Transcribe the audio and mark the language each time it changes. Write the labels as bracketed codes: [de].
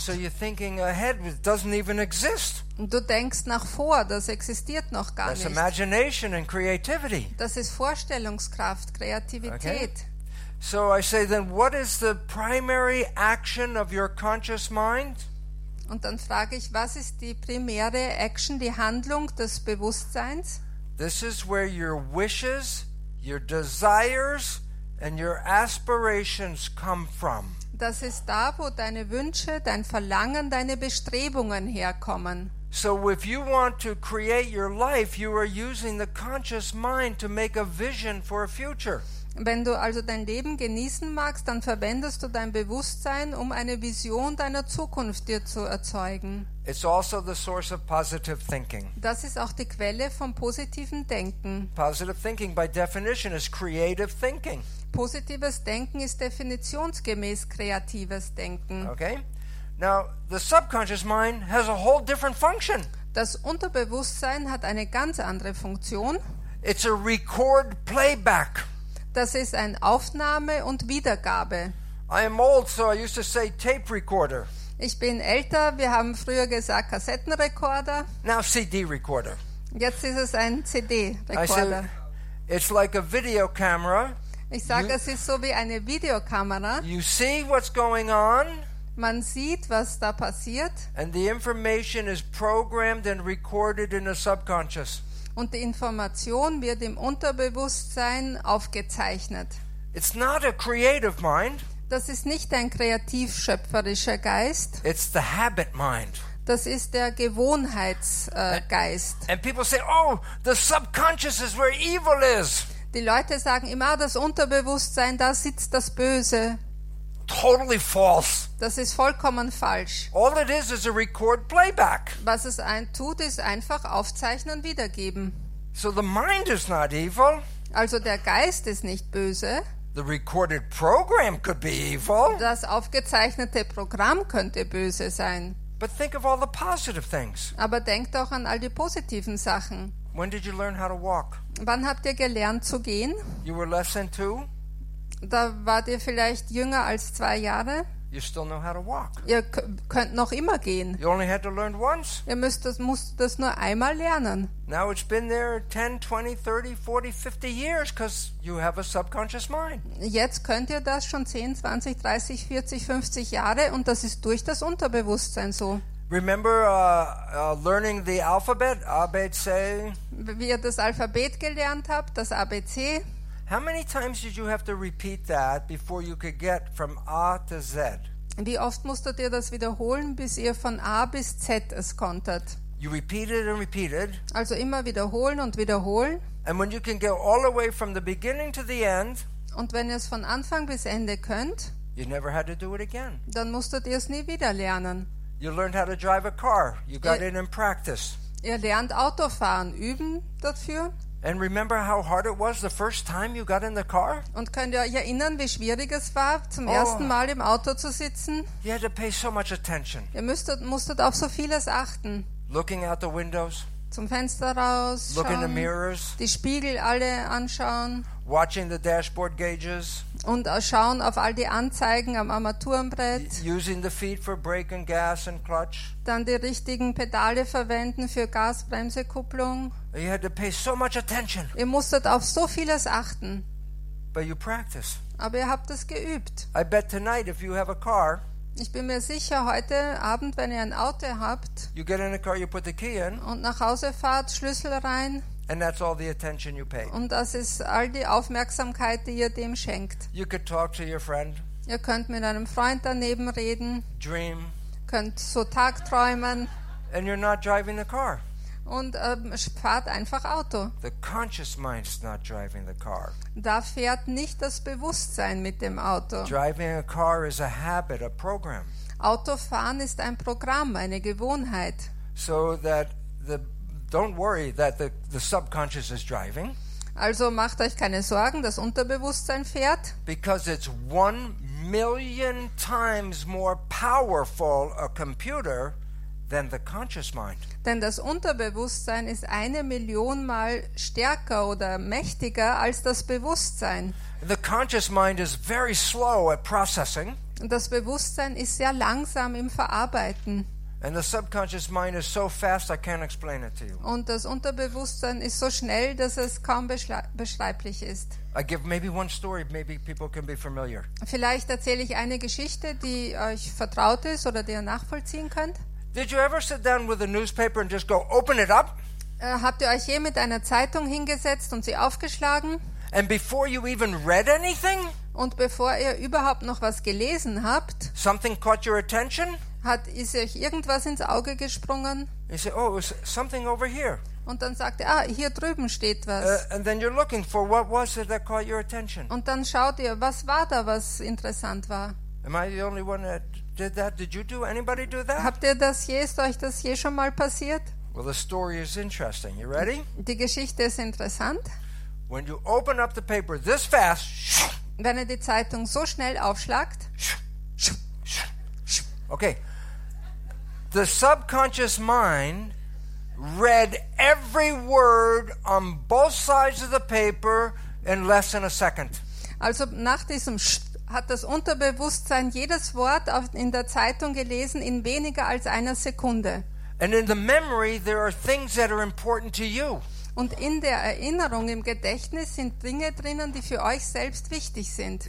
[en] So you're thinking ahead, it doesn't even exist. [de] Du denkst nach vor, das existiert noch gar [en] that's [de] nicht. [en] Imagination and creativity. [de] Das ist Vorstellungskraft, Kreativität. [en] Okay. So I say then, what is the primary action of your conscious mind? [de] Und dann frage ich, was ist die primäre Action, die Handlung des Bewusstseins? [en] This is where your wishes, your desires and your aspirations come from. [de] Das ist da, wo deine Wünsche, dein Verlangen, deine Bestrebungen herkommen. [en] So if you want to create your life, you are using the conscious mind to make a vision for a future. [de] Wenn du also dein Leben genießen magst, dann verwendest du dein Bewusstsein, um eine Vision deiner Zukunft dir zu erzeugen. [en] It's also the source of positive thinking. [de] Das ist auch die Quelle vom positiven Denken. [en] Positive thinking by definition is creative thinking. [de] Positives Denken ist definitionsgemäß kreatives Denken. [en] Okay. Now, the subconscious mind has a whole different function. [de] Das Unterbewusstsein hat eine ganz andere Funktion. [en] It's a record playback. [de] Das ist ein Aufnahme- und Wiedergabe. [en] I am old, so I used to say tape recorder. [de] Ich bin älter, wir haben früher gesagt Kassettenrekorder. [en] Now CD recorder. [de] Jetzt ist es ein CD-Rekorder. [en] It's like a video camera. [de] Ich sage, es ist so wie eine Videokamera. [en] You see what's going on. [de] Man sieht, was da passiert. [en] And the information is programmed and recorded in the subconscious. [de] Und die Information wird im Unterbewusstsein aufgezeichnet. [en] It's not a creative mind. [de] Das ist nicht ein kreativ-schöpferischer Geist. [en] It's the habit mind. [de] Das ist der Gewohnheitsgeist. [en] And people say, oh, the subconscious is where evil is. [de] Die Leute sagen immer, das Unterbewusstsein, da sitzt das Böse. [en] Totally false. [de] Das ist vollkommen falsch. [en] All it is a record playback. [de] Was es tut, ist einfach aufzeichnen und wiedergeben. [en] So the mind is not evil. [de] Also der Geist ist nicht böse. [en] The recorded program could be evil. [de] Das aufgezeichnete Programm könnte böse sein. [en] But think of all the positive things. [de] Aber denk doch an all die positiven Sachen. [en] When did you learn how to walk? [de] Wann habt ihr gelernt zu gehen? [en] You were less than two. [de] Da wart ihr vielleicht jünger als 2 Jahre. [en] You still know how to walk. [de] Ihr könnt noch immer gehen. [en] You only had to learn once. [de] Ihr musst das nur einmal lernen. [en] Now it's been there 10, 20, 30, 40, 50 years because you have a subconscious mind. [de] Jetzt könnt ihr das schon 10, 20, 30, 40, 50 Jahre und das ist durch das Unterbewusstsein so. [en] Remember learning the alphabet? ABC. [de] Wie ihr das Alphabet gelernt habt, das ABC. [en] How many times did you have to repeat that before you could get from A to Z? [de] Wie oft musstet ihr das wiederholen, bis ihr von A bis Z es konntet? [en] You repeated and repeated. [de] Also immer wiederholen und wiederholen. [en] And when you can go all the way from the beginning to the end. [de] Und wenn ihr es von Anfang bis Ende könnt. [en] You never had to do it again. [de] Dann musstet ihr es nie wieder lernen. [en] You learned how to drive a car. You got in practice. [de] Ihr lernt Autofahren, üben dafür. [en] And remember how hard it was the first time you got in the car? [de] Und könnt ihr euch erinnern, wie schwierig es war, zum ersten Mal im Auto zu sitzen? [en] You had to pay so much attention. [de] Ihr musstet auf so vieles achten. [en] Looking out the windows. [de] Zum Fenster raus. [en] Look in the mirrors. [de] Die Spiegel alle anschauen. [en] Watching the dashboard gauges. [de] Und schauen auf all die Anzeigen am Armaturenbrett. [en] Using the feet for brake and gas and clutch. [de] Dann die richtigen Pedale verwenden für Gasbremsekupplung. [en] You had to pay so much attention. [de] Ihr musstet auf so vieles achten. [en] But you practice. [de] Aber ihr habt es geübt. [en] I bet tonight if you have a car. [de] Ich bin mir sicher, heute Abend, wenn ihr ein Auto habt, [en] you get in the car, you put the key in, [de] und nach Hause fahrt, Schlüssel rein. [en] And that's all the attention you pay. [de] Und das ist all die Aufmerksamkeit, die ihr dem schenkt. [en] You could talk to your friend. [de] Ihr könnt mit einem Freund daneben reden. [en] Dream. [de] Könnt so tagträumen. [en] And you're not driving the car. [de] Und fahrt einfach Auto. [en] The conscious mind's not driving the car. [de] Da fährt nicht das Bewusstsein mit dem Auto. [en] Driving a car is a habit, a program. [de] Autofahren ist ein Programm, eine Gewohnheit. [en] So that don't worry that the subconscious is driving. [de] Also macht euch keine Sorgen, das Unterbewusstsein fährt. [en] Because it's 1,000,000 times more powerful a computer than the conscious mind. [de] Denn das Unterbewusstsein ist 1,000,000 mal stärker oder mächtiger als das Bewusstsein. [en] The conscious mind is very slow at processing. [de] Das Bewusstsein ist sehr langsam im Verarbeiten. [en] And the subconscious mind is so fast I can't explain it to you. [de] Und das Unterbewusstsein ist so schnell, dass es kaum beschreiblich ist. [en] I give maybe one story, maybe people can be familiar. [de] Vielleicht erzähle ich eine Geschichte, die euch vertraut ist oder die ihr nachvollziehen könnt. [en] Did you ever sit down with a newspaper and just go open it up? [de] Habt ihr euch je mit einer Zeitung hingesetzt und sie aufgeschlagen? [en] And before you even read anything? [de] Und bevor ihr überhaupt noch was gelesen habt? [en] Something caught your attention? [de] Ist euch irgendwas ins Auge gesprungen? [en] You say, oh, it's something over here. [de] Und dann sagt ihr, hier drüben steht was. [en] And then you're looking for what was it that caught your attention? [de] Und dann schaut ihr, was war da, was interessant war? [en] Am I the only one that did that? Did you do anybody do that? [de] Habt ihr das je, ist euch das je schon mal passiert? [en] Well, the story is interesting. You ready? [de] Die Geschichte ist interessant. [en] When you open up the paper this fast, [de] wenn ihr die Zeitung so schnell aufschlagt, [en] okay, the subconscious mind read every word on both sides of the paper in less than a second. [de] Also nach diesem hat das Unterbewusstsein jedes Wort in der Zeitung gelesen in weniger als einer Sekunde. [en] And in the memory there are things that are important to you. [de] Und in der Erinnerung, im Gedächtnis sind Dinge drinnen, die für euch selbst wichtig sind.